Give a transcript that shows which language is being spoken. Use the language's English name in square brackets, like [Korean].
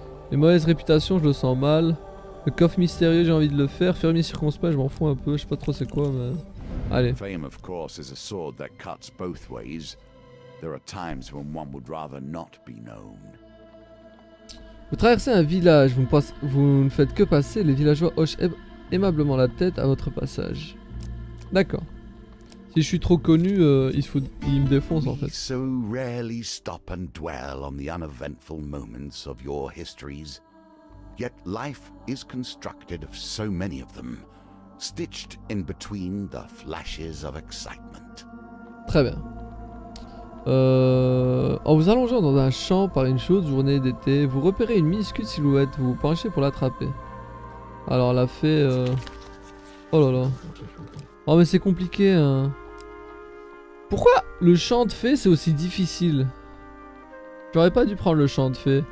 [French] Les mauvaises réputations, je le sens mal. Le coffre mystérieux, j'ai envie de le faire. Fermier circonspect, je m'en fous un peu. Je sais pas trop c'est quoi, mais... Allez. [English] Fame, of course, is a sword that cuts both ways. There are times when one would rather not be known. [French] Vous traversez un village. Vous ne faites que passer. Les villageois hochent aimablement la tête à votre passage. D'accord. Si je suis trop connu, ils me défoncent en fait. [English] So rarely stop and dwell on the uneventful moments of your histories. Yet life is constructed of so many of them. Stitched in between the flashes of excitement. [French] Très bien. En vous allongeant dans un champ par une chaude journée d'été, vous repérez une minuscule silhouette, vous vous penchez pour l'attraper. Alors la fée... Oh là là. Oh mais c'est compliqué. Hein. Pourquoi le chant de fée c'est aussi difficile? J'aurais pas dû prendre le chant de fée.